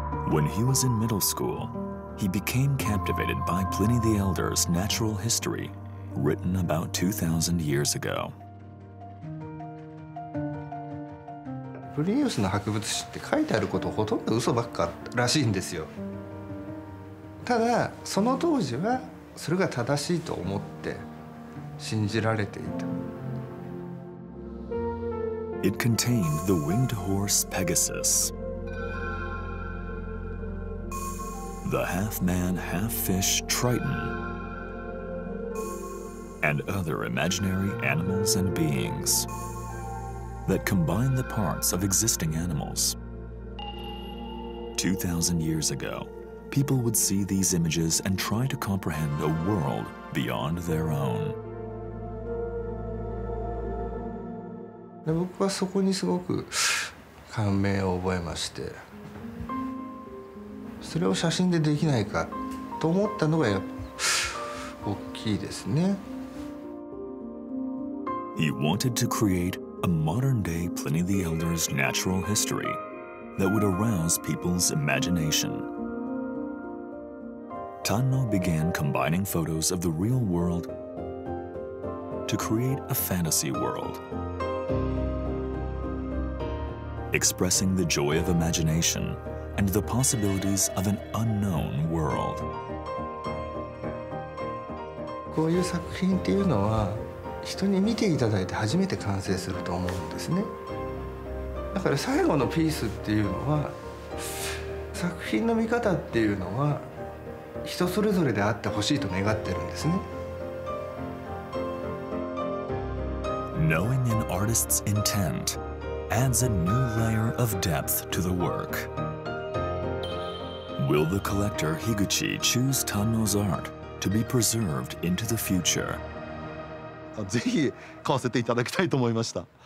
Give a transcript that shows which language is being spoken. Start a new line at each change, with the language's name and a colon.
English: When he was in middle school,He became captivated by Pliny the Elder's natural history, written about 2,000 years ago.
Japanese: プリニウスの博物誌って書いてあることほとんど嘘ばっからしいんですよ。ただその当時はそれが正しいと思って信じられていた。
English: It contained the winged horse Pegasus. The half-man, half-fish Triton, and other imaginary animals and beings that combine the parts of existing animals. 2,000 years ago, people would see these images and try to comprehend a world beyond their own.
Japanese: で、僕はそこにすごく感銘を覚えまして。それを写真でできないかと思ったのがやっぱ大きいですね。
English: He wanted to create a modern day Pliny the Elder's natural history that would arouse people's imagination. Tanno began combining photos of the real world to create a fantasy world, expressing the joy of imagination. And the possibilities of an unknown world.
Japanese: こういう作品っていうのは人に見ていただいて初めて完成すると思うんですね。だから最後のピースっていうのは、作品の見方っていうのは人それぞれであってほしいと願ってるんですね。
English: Knowing an artist's intent adds a new layer of depth to the work. Will the collector Higuchi choose Tanno's art to be preserved into the future?
Japanese: ぜひ買わせていただきたいと思いました。